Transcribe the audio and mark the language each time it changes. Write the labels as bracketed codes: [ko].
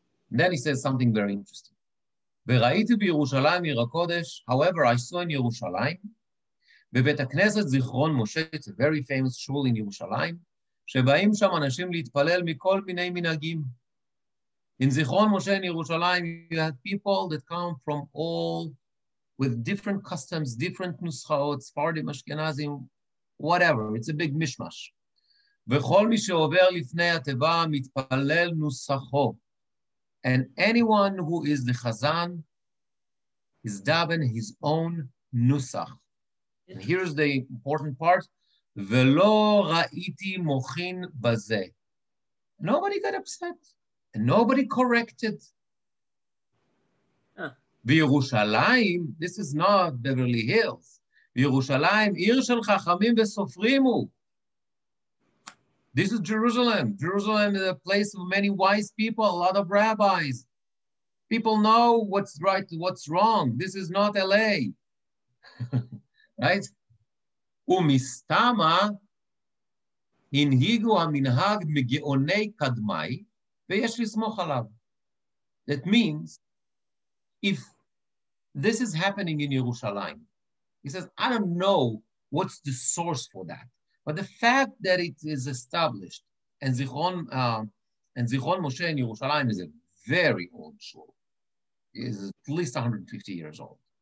[en] And then he says something very interesting. [he] V'ra'iti b'Yerushalayim ir ha'kodesh, [en] however, I saw in Yerushalayim, v'bet ha'knesset Zichron Moshe, it's a very famous shul in Yerushalayim, [he] שבאים שם אנשים להתפלל מכל מיני מנהגים. [en] In Zichron Moshe in Yerushalayim, you have people that come from all, with different customs, different nuschaot, Sephardim, Ashkenazim, whatever. It's a big mishmash. [he] וכל מי שעובר לפני התיבה מתפלל נוסחו. [en] And anyone who is the chazan is daven his own nusach. And here's the important part. [he] ולא ראיתי מוכין בזה. [en] Nobody got upset. And nobody corrected. בירושלים, this is not Beverly Hills. [he] בירושלים, עיר של חכמים וסופרים הוא. [en] This is Jerusalem. Jerusalem is a place of many wise people, a lot of rabbis. People know what's right, what's wrong. This is not LA. Right? [he] ומסתמה הנהיגו המנהג מגאוני קדמי ויש לסמוך עליו. [en] That means, if this is happening in Yerushalayim, he says, I don't know what's the source for that, but the fact that it is established, and Zichron Moshe in Yerushalayim is a very old shul, is at least 150 years old.